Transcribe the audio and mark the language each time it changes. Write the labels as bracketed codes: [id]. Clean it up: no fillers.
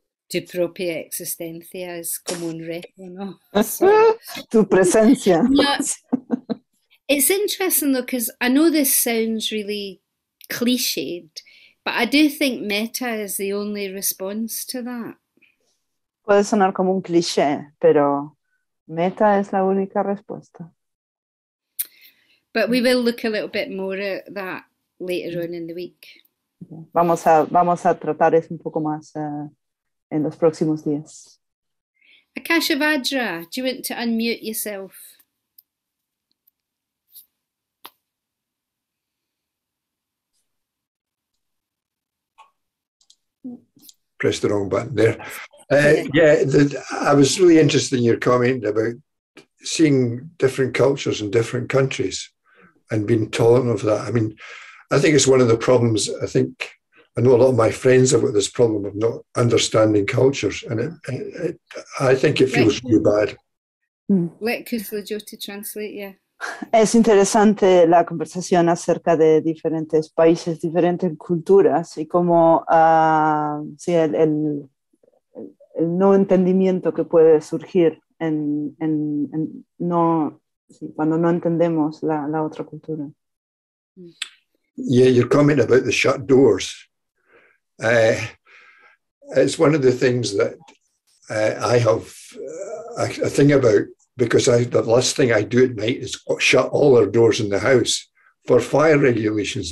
[es] Tu propia existencia es como un reto, ¿no? Tu presencia. [en] It's interesting though, because I know this sounds really cliched, but I do think meta is the only response to that. [es] Puede sonar como un cliché, pero meta es la única respuesta. [en] But we will look a little bit more at that later on in the week. [es] Vamos a tratar eso un poco más en los próximos días. [en] Akashavajra, do you want to unmute yourself? Press the wrong button there. I was really interested in your comment about seeing different cultures in different countries and being tolerant of that. I mean, I think it's one of the problems. I know a lot of my friends have got this problem of not understanding cultures, and I think it feels really bad. Let Kusla Jyoti translate, yeah. [es] Es interesante la conversación acerca de diferentes países, diferentes culturas y cómo el no entendimiento que puede surgir en no, sí, cuando no entendemos la otra cultura. [en] Yeah, your comment about the shut doors. It's one of the things that I have a thing about. Because the last thing I do at night is shut all our doors in the house for fire regulations.